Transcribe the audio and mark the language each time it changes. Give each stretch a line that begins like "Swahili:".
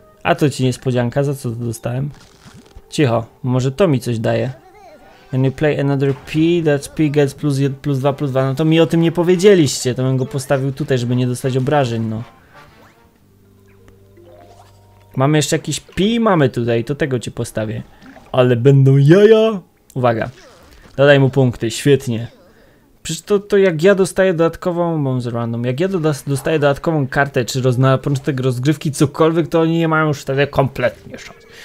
Polish: A to ci niespodzianka, za co to dostałem? Cicho, może to mi coś daje.
English: When you play another P, that P gets +1, +2, +2.
Polish: No to mi o tym nie powiedzieliście, to bym go postawił tutaj, żeby nie dostać obrażeń, no. Mamy jeszcze jakiś P? Mamy tutaj, to tego ci postawię. Ale będą jaja! Uwaga, dodaj mu punkty, świetnie. Przecież to jak ja dostaję dodatkową, mam z random, jak ja dostaję dodatkową kartę, czy na początek rozgrywki, cokolwiek, to oni nie mają już wtedy kompletnie szans.